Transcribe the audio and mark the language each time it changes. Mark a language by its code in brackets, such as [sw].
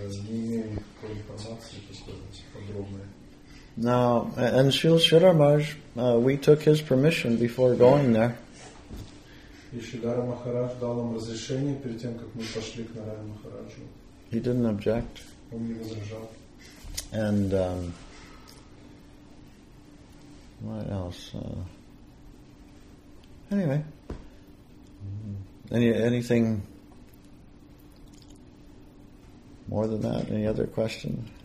[ru] не имею никакой информации, какой-то подробной. [en] Now, and Srila Sridhar Maharaj, we took his permission before going there. [ru] И Шридхара Махарадж дал нам разрешение перед тем, как мы пошли к Нараяна Махараджу. [en] He didn't object. [ru] Он не возражал. [en] And what else? Anyway, anything more than that? Any other question?